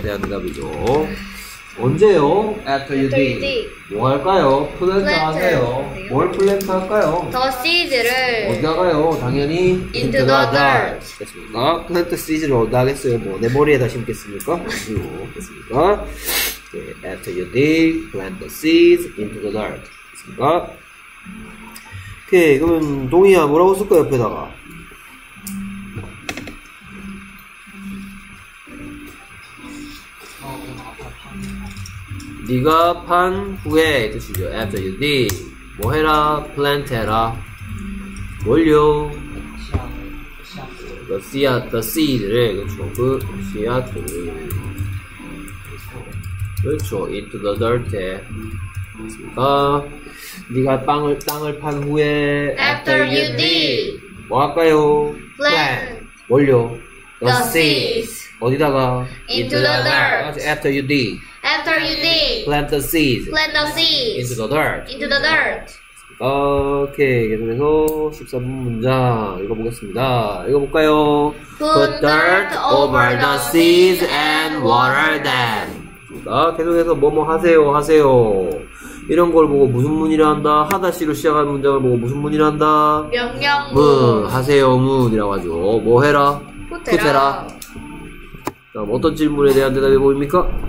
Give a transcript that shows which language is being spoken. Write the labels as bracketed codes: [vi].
[ko] 대한 대답이죠. 언제요? [en] after you dig. [ko] 뭐 할까요? plant 하세요. 뭘 plant 할까요? [en] the seeds를. [ko] 어디다가요? 당연히 [en] into the dirt. [ko] 됐습니까? plant the seeds를 어디다 하겠어요? 뭐 내 머리에다 심겠습니까? 됐습니까? [en] after you dig, plant the seeds into the dirt. [ko] 됐습니까? 오케이, 그럼 동희야 뭐라고 쓸까 옆에다가? 네가 판 후에 뜻이죠. [en] After you dig. [ko] 뭐 해라? Plant 해라. 뭘요? [en] The seed. The seed. [ko] 그렇죠. 그 씨앗을. 그렇죠. [en] Into the dirt. [ko] 맞습니까? 네가 땅을 판 후에 [en] After you dig. [ko] 뭐 할까요? [en] Plant. [ko] 뭘요? [en] The seeds. [ko] 어디다가? [en] Into the dirt. After you dig. After you dig. Plant the seeds. Plant the seeds. Into the dirt. Into the dirt. [ko] 오케이. 계속해서 13번 문장 읽어보겠습니다. 읽어볼까요? [en] Put dirt over the seeds and water them. [ko] 자, 계속해서 뭐뭐 하세요, 하세요. 이런 걸 보고 무슨 문이라 한다? 하다시로 시작하는 문장을 보고 무슨 문이라 한다? 명령문. 하세요, 문이라고 하죠. 뭐 해라? Put 해라. 자, 어떤 질문에 대한 대답이 보입니까?